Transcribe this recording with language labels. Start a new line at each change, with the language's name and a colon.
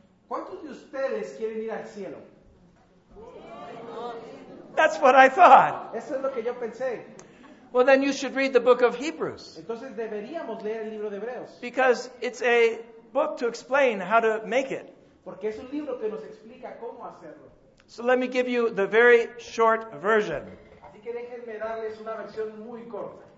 Spanish: ¿Cuántos de ustedes quieren ir al cielo?
English: That's what I thought.
Spanish: Eso es lo que yo pensé.
English: Well, then you should read the book of Hebrews.
Spanish: Entonces deberíamos leer el libro de Hebreos.
English: Because it's a book to explain how to make it.
Spanish: Porque es un libro que nos explica cómo hacerlo.
English: So let me give you the very short version.
Spanish: Así que déjenme darles una versión muy corta.